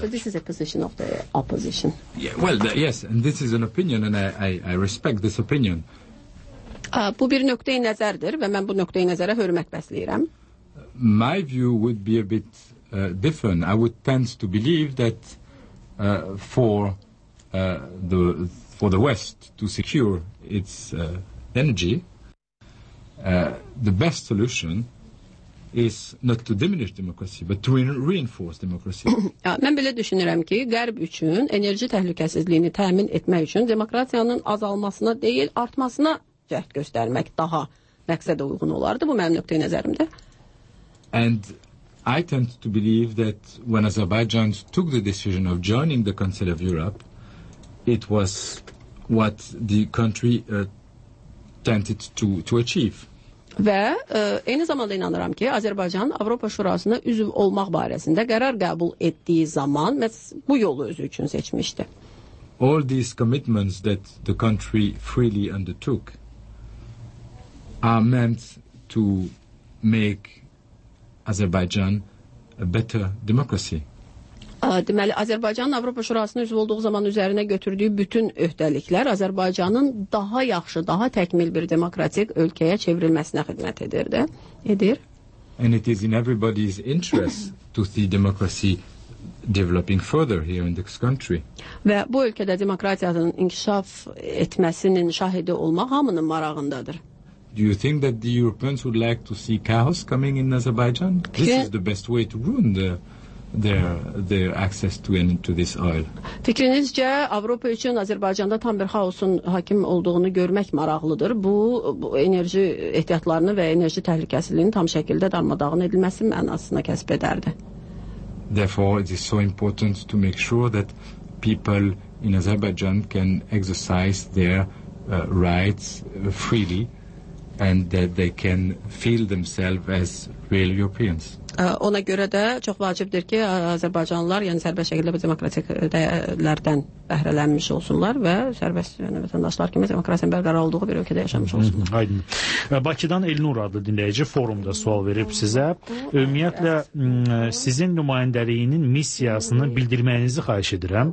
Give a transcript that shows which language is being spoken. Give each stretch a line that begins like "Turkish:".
English: So this is a position of the opposition. Yeah, well, yes, and this is an opinion and I respect this opinion.
Azerbaijani: Bu bir nöqtəyi nəzərdir və mən bu nöqtəyi nəzərə hörmət bəsləyirəm.
English: My view would be a bit different. I would tend to believe that for the West to secure its energy, the best solution is not to diminish democracy but to reinforce democracy.
Azerbaijani: Mən belə düşünürəm ki, Qərb üçün enerji təhlükəsizliyini təmin etmək üçün demokratiyanın azalmasına deyil, artmasına cəhd göstərmək daha məqsədə uyğun olardı. Bu mənim nöqtəyi nəzərimdə.
English: And I tend to believe that when Azerbaijan took the decision of joining the Council of Europe, it was what the country tended to achieve.
Azerbaijani: Və eyni zamanda inanıram ki, Azərbaycan Avropa Şurasına üzv olmaq barəsində qərar qəbul etdiyi zaman məhz bu yolu özü üçün seçmişdi.
English: All these commitments that the country freely undertook are meant to make Azerbaijan a better democracy.
Azerbaijani: Deməli, Azərbaycanın Avropa Şurasının üzv olduğu zaman üzərinə götürdüyü bütün öhdəliklər Azərbaycanın daha yaxşı, daha təkmil bir demokratik ölkəyə çevrilməsinə xidmət edirdi. Edir.
English: And it is in everybody's interest to see democracy developing further here in this country.
Azerbaijani: Və bu ölkədə demokratiyanın inkişaf etməsinin şahidi olmaq hamının marağındadır.
English: Do you think that the Europeans would like to see chaos coming in Azerbaijan? This is the best way to ruin their access to this oil.
Azerbaijani: Fikrinizcə Avropa üçün Azərbaycanda tam bir xaosun hakim olduğunu görmək maraqlıdır. Bu enerji ehtiyatlarını və enerji təhlükəsizliyini tam şəkildə darmadağın edilməsi mənasına kəsb edərdi.
English: Therefore, it is so important to make sure that people in Azerbaijan can exercise their rights freely and that they can feel themselves as real Europeans.
Azerbaijani: Ona görə də çox vacibdir ki, Azərbaycanlılar, yəni sərbəst şəkildə bu demokratik dəyərlərdən bəhrələnmiş olsunlar və sərbəst yəni vətəndaşlar kimi demokratiyanın bərqərar olduğu bir ölkədə yaşamış olsunlar. Aydın. Bakıdan Elnur adlı dinləyici forumda sual verib sizə. Ümumiyyətlə, sizin nümayəndəliyinin missiyasını bildirməyinizi xahiş edirəm.